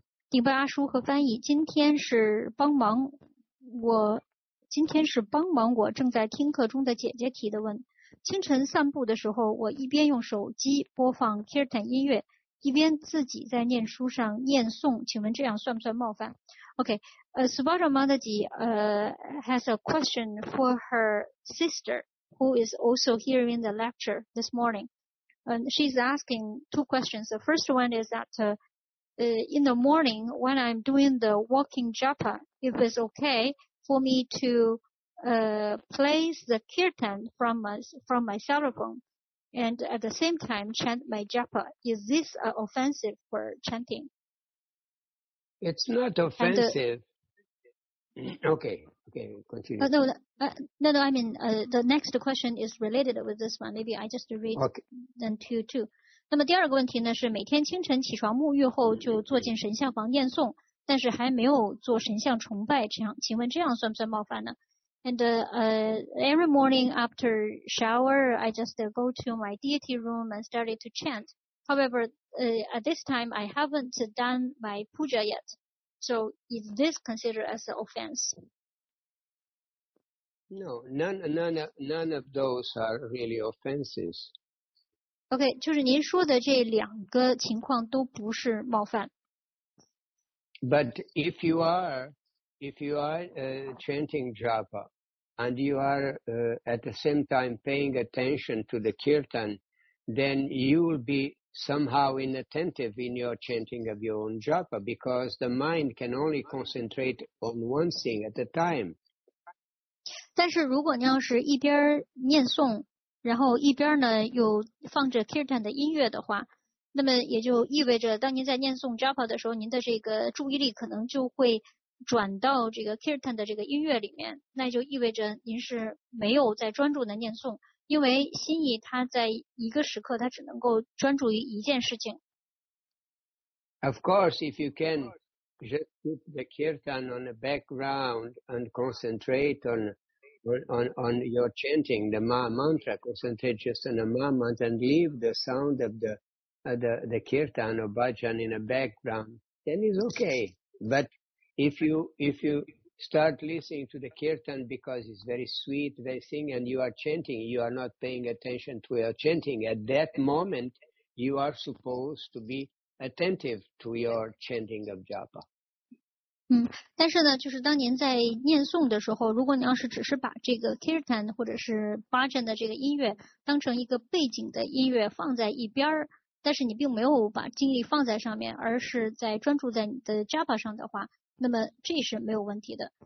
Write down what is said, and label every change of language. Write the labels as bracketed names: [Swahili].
[Chinese] 顶白阿叔和翻译，今天是帮忙我正在听课中的姐姐提的问。清晨散步的时候，我一边用手机播放 Kirtan 音乐，一边自己在念书上念诵，请问这样算不算冒犯？ [English] Subhadra Mataji has a question for her sister who is also hearing the lecture this morning. And she's asking two questions. The first one is that in the morning when I'm doing the walking japa, if it's okay,for me to play the kirtan from my cell phone and at the same time chant my japa. Is this offensive for chanting? It's not offensive. Continue. The next question is related with this one. Maybe I just read then to you too. [Chinese] 那么第二个问题呢是每天清晨起床沐浴后就坐进神像房念诵。但是还没有做神像崇拜，请问这样算不算冒犯呢？ [English] And every morning after shower, I just go to my deity room and started to chant. However, at this time, I haven't done my puja yet. So is this considered as an offense? No, none of those are really offenses. [Chinese] Okay, 就是您说的这两个情况都不是冒犯。 [English] But if you are chanting japa and you are at the same time paying attention to the kirtan, then you will be somehow inattentive in your chanting of your own japa because the mind can only concentrate on one thing at a time. [Chinese] 但是如果你要是一边念诵，然后一边呢又放着 kirtan 的音乐的话，那么也就意味着当您在念诵 Japa 的时候，您的这个注意力可能就会转到这个 Kirtan 的这个音乐里面，那就意味着您是没有在专注的念诵，因为心意它在一个时刻它只能够专注于一件事情。 [English] Of course, if you can just put the Kirtan on the background and concentrate on your chanting the Ma mantra, concentrate just on the Ma mantra and leave the sound of the kirtan or bhajan in the background, then it's okay. But if you start listening to the kirtan because it's very sweet, very singing, and you are chanting, you are not paying attention to your chanting. At that moment, you are supposed to be attentive to your chanting of japa. [Chinese] 但是呢，就是当您在念诵的时候，如果你要是只是把这个 kirtan 或者是 bhajan 的这个音乐当成一个背景的音乐放在一边儿，但是你并没有把精力放在上面，而是在专注在你的 japa 上的话，那么这是没有问题的。